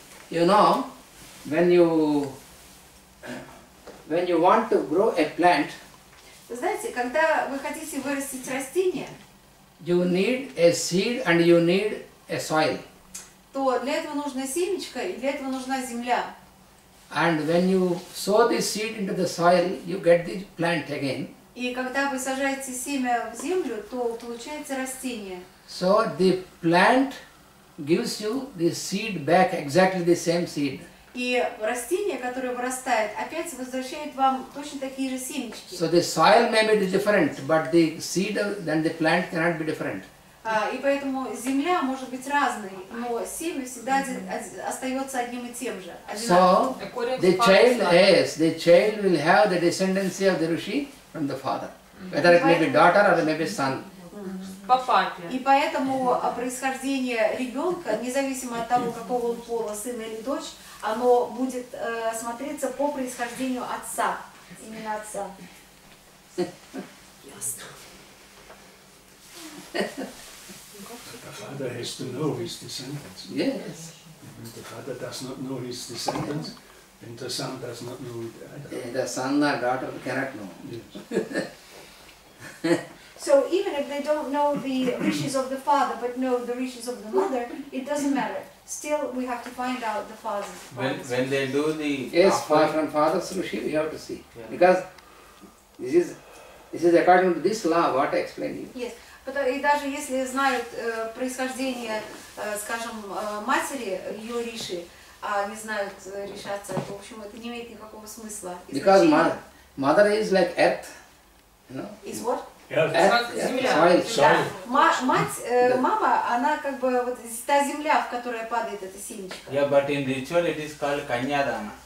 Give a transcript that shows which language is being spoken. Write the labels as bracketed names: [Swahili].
[English] You know, when you want to grow a plant, [Russian] знаете, когда вы хотите вырастить растение, [English] you need a seed and you need a soil. [Russian] То для этого нужна семечко и для этого нужна земля. [English] And when you sow the seed into the soil, you get the plant again. [Russian] И когда вы сажаете семя в землю, то получается растение. [English] So the plant gives you the seed back, exactly the same seed. [Russian] И растение, которое вырастает, опять возвращает вам точно такие же семечки. [English] So the soil may be different, but the seed and the plant cannot be different. [Russian] И поэтому земля может быть разной, но семя всегда остается одним и тем же. [English] So the child, yes, the child will have the descendancy of the Rishi. From the father, whether it may be daughter or it may be son. [Russian] По папе. И поэтому происхождение ребенка, независимо от того, какого он пола, сын или дочь, оно будет смотреться по происхождению отца, именно отца. Ясно. [English] The father has to know his descendants. Yes. If the father does not know his descendants. And the son does not know it either. The son or daughter cannot know. Yes. So even if they don't know the wishes of the father, but know the wishes of the mother, it doesn't matter. Still, we have to find out the father. When they do the... Yes, far from father's wish, we have to see. Yeah. Because this is according to this law, what I explained to you. Yes. [Russian] И даже если знают происхождение, скажем, матери, ее риши, а не знают решаться, то, в общем, это не имеет никакого смысла. И [English] because mother is like earth, you know? Is what? Earth. [Russian] Земля. Мама, она как бы вот та земля, в которой падает эта семечка. [English] Yeah, but in ritual it is called kanyadana.